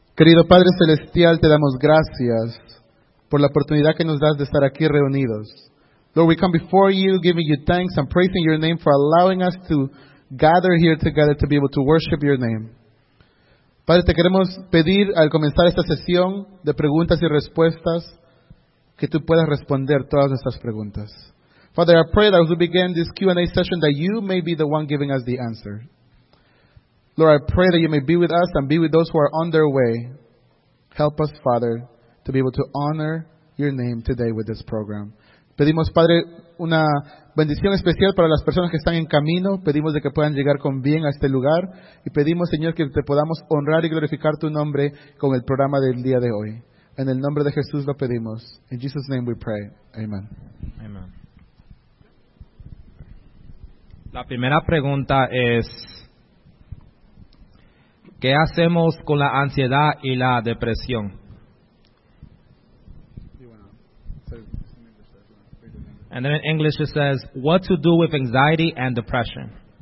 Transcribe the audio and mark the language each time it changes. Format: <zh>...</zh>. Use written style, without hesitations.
<es>Querido Padre Celestial, te damos gracias por la oportunidad que nos das de estar aquí reunidos.</es> <en>Lord, we come before you, giving you thanks and praising your name for allowing us to gather here together to be able to worship your name.</en> <es>Padre, te queremos pedir al comenzar esta sesión de preguntas y respuestas que tú puedas responder todas nuestras preguntas.</es> <en>Father, I pray that as we begin this Q&A session that you may be the one giving us the answer. Lord, I pray that you may be with us and be with those who are on their way. Help us, Father, to be able to honor your name today with this program.</en> <es>Pedimos, Padre, una bendición especial para las personas que están en camino. Pedimos de que puedan llegar con bien a este lugar. Y pedimos, Señor, que te podamos honrar y glorificar tu nombre con el programa del día de hoy. En el nombre de Jesús lo pedimos.</es> <en>In Jesus' name we pray. Amen.</en> <es>Amen. La primera pregunta es, ¿qué hacemos con la ansiedad y la depresión?</es> <en>And then in English it says, what to do with anxiety and depression?</en>